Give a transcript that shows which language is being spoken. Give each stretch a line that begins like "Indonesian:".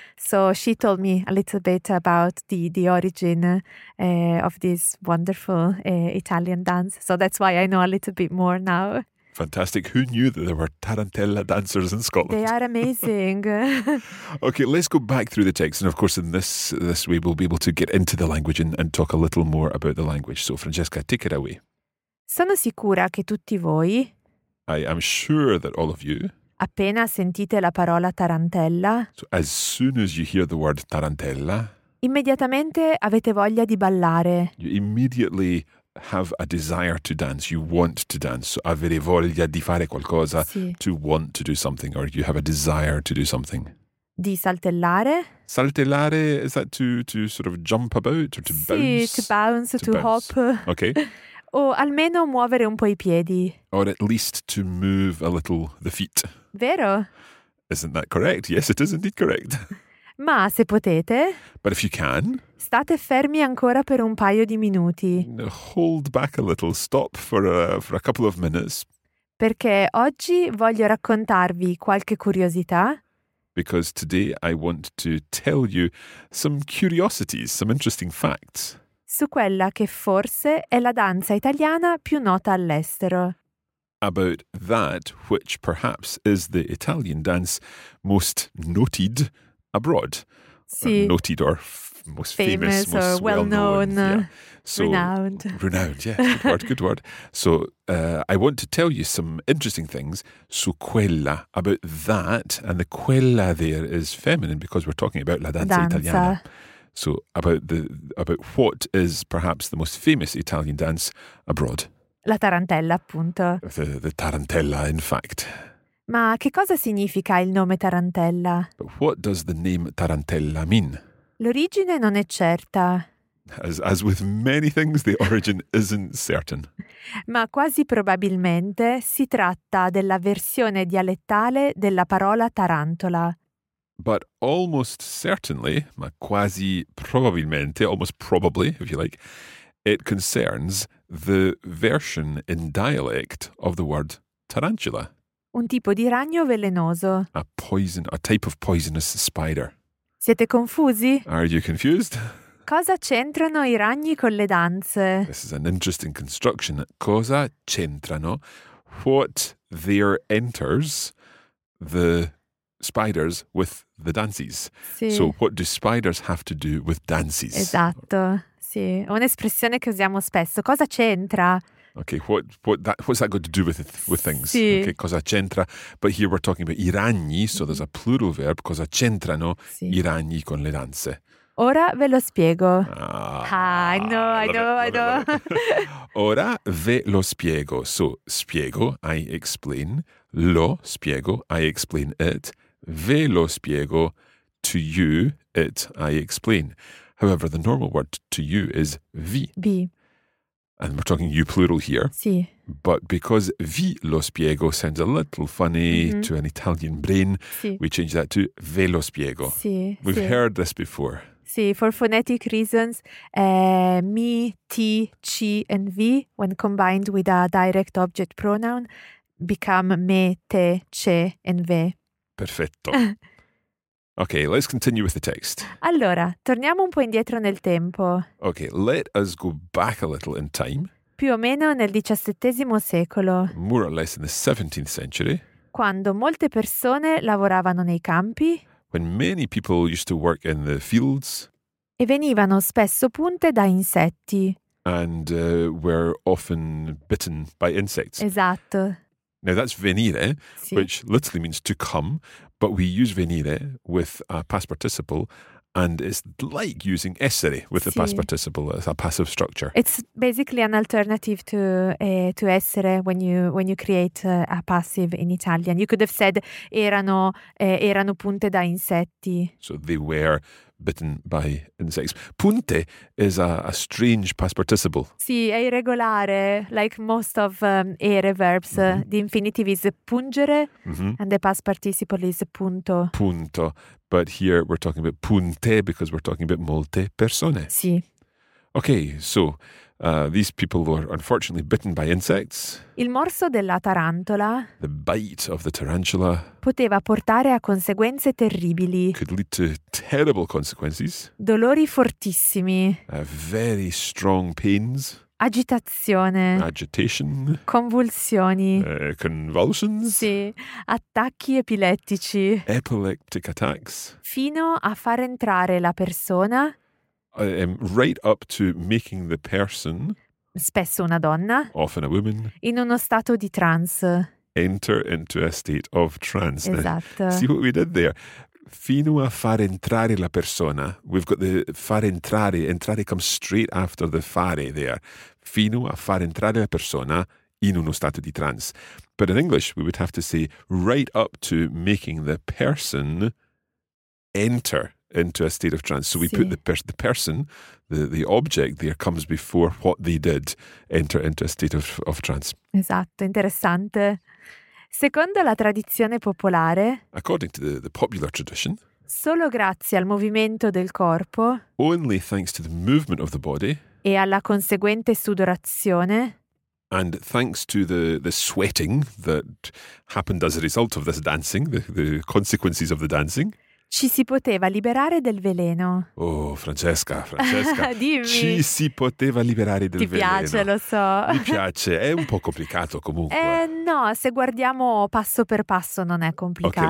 English: So she told me a little bit about the origin of this wonderful Italian dance. So that's why I know a little bit more now. Fantastic. Who knew that there were tarantella dancers in Scotland? They are amazing. Okay, let's go back through the text. And of course, in this way, we'll be able to get into the language and talk a little more about the language. So Francesca, take it away.
Italian: Sono sicura che tutti voi...
English: I am sure that all of you...
Italian: Appena sentite la parola tarantella...
English: So as soon as you hear the word tarantella...
Italian: Immediatamente avete voglia di ballare.
English: You immediately... have a desire to dance, you want to dance, so
Italian: avere voglia di fare qualcosa, sì.
English: To want to do something, or you have a desire to do something.
Italian: Di saltellare.
English: Saltellare, is that to sort of jump about, or to
Italian: sì,
English: bounce? To bounce, to hop. Okay.
Italian: O almeno muovere un po' I piedi.
English: Or at least to move a little the feet.
Italian: Vero?
English: Isn't that correct? Yes, it is indeed correct.
Italian: Ma se potete...
English: But if you can...
Italian: State fermi ancora per un paio di minuti.
English: Hold back a little, stop for a couple of minutes.
Italian: Perché oggi voglio raccontarvi qualche curiosità.
English: Because today I want to tell you some curiosities, some interesting facts.
Italian: Su quella che forse è la danza italiana più nota all'estero.
English: About that which perhaps is the Italian dance most noted abroad.
Italian: Sì.
English: Noted or most famous, famous or most well-known. Renowned. Renowned, yeah. Good word, good word. So I want to tell you some interesting things
Italian: su quella,
English: about that. And the quella there is feminine because we're talking about la danza italiana. So about what is perhaps the most famous Italian dance abroad.
Italian: La tarantella, appunto.
English: The tarantella, in fact.
Italian: Ma che cosa significa il nome tarantella?
English: But what does the name tarantella mean?
Italian: L'origine non è certa.
English: As with many things, the origin isn't certain.
Italian: Ma quasi probabilmente si tratta della versione dialettale della parola tarantola.
English: But almost certainly,
Italian: ma quasi probabilmente,
English: almost probably, if you like, it concerns the version in dialect of the word tarantula.
Italian: Un tipo di ragno velenoso.
English: A type of poisonous spider.
Italian: Siete confusi?
English: Are you confused?
Italian: Cosa c'entrano I ragni con le danze?
English: This is an interesting construction.
Italian: Cosa c'entrano?
English: What there enters the spiders with the dances.
Italian: Sì.
English: So what do spiders have to do with dances?
Italian: Esatto. Sì, un'espressione che usiamo spesso. Cosa c'entra?
English: Okay, what's that got to do with things?
Italian: Sì. Okay, cosa c'entra?
English: But here we're talking about I ragni, so there's a plural verb.
Italian: Cosa c'entrano sì. I ragni con le danze? Ora ve lo spiego.
English: I know.
Italian: Ora ve lo spiego.
English: So, spiego, I explain. Lo spiego, I explain it. Ve lo spiego, to you, it, I explain. However, the normal word to you is vi.
Italian: Vi.
English: And we're talking you plural here.
Italian: Sì.
English: But because
Italian: vi lo spiego
English: sounds a little funny to an Italian brain,
Italian: sì.
English: We change that to
Italian: ve lo spiego. Sì.
English: We've
Italian: sì.
English: heard this before. Sì, for phonetic reasons, mi, ti, ci, and vi, when combined with a direct object pronoun, become me, te, ce, and ve.
Italian: Perfetto.
English: Okay, let's continue with the text.
Italian: Allora, torniamo un po' indietro nel tempo.
English: Okay, let us go back a little in time.
Italian: Più o meno nel XVII secolo.
English: More or less in the 17th century.
Italian: Quando molte persone lavoravano nei campi.
English: When many people used to work in the fields.
Italian: E venivano spesso punte da insetti.
English: And were often bitten by insects.
Italian: Esatto.
English: Now that's venire,
Italian: sì.
English: which literally means to come, but we use venire with a past participle, and it's like using essere with
Italian: sì.
English: a past participle as a passive structure. It's basically an alternative to essere when you create a passive in Italian. You could have said
Italian: erano punte da insetti.
English: So they were bitten by insects. Punte is a strange past participle.
Italian: Sì, è irregolare,
English: like most of ere verbs. The infinitive is pungere, and the past participle is punto. Punto. But here we're talking about punte because we're talking about molte persone.
Italian: Sì.
English: Okay, so these people were unfortunately bitten by insects.
Italian: Il morso della tarantola.
English: The bite of the tarantula.
Italian: Poteva portare a conseguenze terribili.
English: Could lead to terrible consequences.
Italian: Dolori fortissimi.
English: Very strong pains.
Italian: Agitazione.
English: Agitation.
Italian: Convulsioni.
English: Convulsions.
Italian: Sì. Attacchi epilettici.
English: Epileptic attacks.
Italian: Fino a far entrare la persona.
English: Right up to making the person,
Italian: spesso una donna,
English: often a woman,
Italian: in uno stato di trance.
English: Enter into a state of trance.
Italian: Esatto.
English: See what we did there?
Italian: Fino a far entrare la persona.
English: We've got the far entrare. Entrare comes straight after the fare there.
Italian: Fino a far entrare la persona in uno stato di trance.
English: But in English, we would have to say right up to making the person enter into a state of trance. So we put the person, the object there comes before what they did enter into a state of trance.
Italian: Esatto, interessante. Secondo la tradizione popolare,
English: according to the popular tradition,
Italian: solo grazie al movimento del corpo,
English: only thanks to the movement of the body,
Italian: e alla conseguente sudorazione,
English: and thanks to the sweating that happened as a result of this dancing, the consequences of the dancing,
Italian: ci si poteva liberare del veleno.
English: Oh, Francesca,
Italian: dimmi. Ci si poteva liberare del veleno. Ti piace, veleno. Lo so. Mi piace, è un po' complicato comunque. No, se guardiamo passo per passo non è complicato.